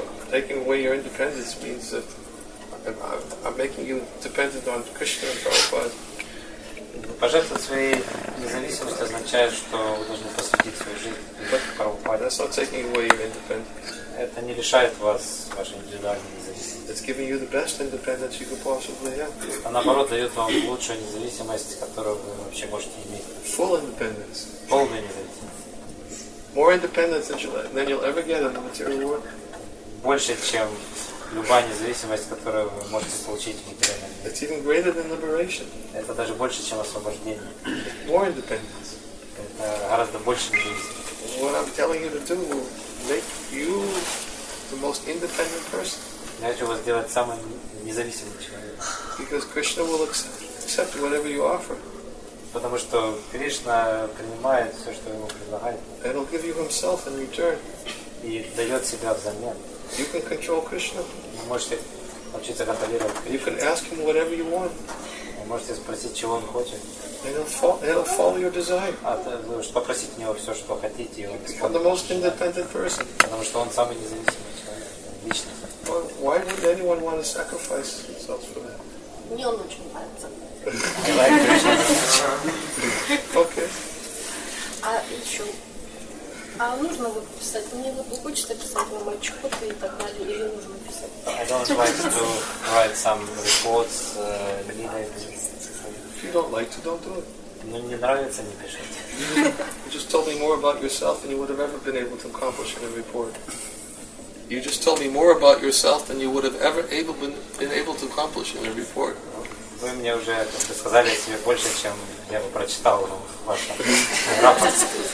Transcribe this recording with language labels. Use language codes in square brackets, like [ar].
[en] Taking away your independence means that I'm making you dependent on Krishna and Prabhupada. [ru] Пожертвовать своей независимостью означает, что вы должны посвятить свою жизнь Прабхупаде. [en] That's not taking away your independence. [ru] Это не лишает вас вашей индивидуальной независимости. [en] It's giving you the best independence you could possibly have. [ru] А наоборот, дает вам лучшую независимость, которую вы вообще можете иметь. [en] Full independence. [ru] Полная независимость. [en] More independence than you'll ever get in the material world. [ru] Больше, чем любая независимость, которую вы можете получить в материальном мире. [en] It's even greater than liberation. [ru] Это даже больше, чем освобождение. [en] More independence. [ru] Это гораздо больше независимости. [en] What I'm telling you to do will make you the most independent person. [ru] Я хочу вас сделать самым независимым человеком. [en] Because Krishna will accept whatever you offer. [ru] Потому что Кришна принимает все, что ему предлагает. [en] And he'll give you himself in return. [ru] И дает себя взамен. [en] You can control Krishna. [ru] Вы можете научиться контролировать Кришну. [en] You can ask him whatever you want. [ru] Вы можете спросить, чего он хочет. [en] And he'll follow your desire. [ru] А то, вы можете попросить у него все, что хотите. [en] You become the most independent person. [ru] Потому что он самый независимый человек. Лично. [en] Well, why would anyone want to sacrifice themselves for that? [ru] Мне он очень нравится. [en] I like Krishna. Okay. [ru] А еще... А нужно выписать? Мне хочется писать вам отчеты и так далее, или нужно писать? [en] I don't like to write some reports, leaders. If you don't like to, don't do it. [ru] Ну, не нравится, не пишите. [en] You just told me more about yourself than you would have ever been able to accomplish in a report. You just told me more about yourself than you would have ever been able to accomplish in a report. [ru] Вы мне уже сказали о себе больше, чем я бы прочитал в вашем рапорте.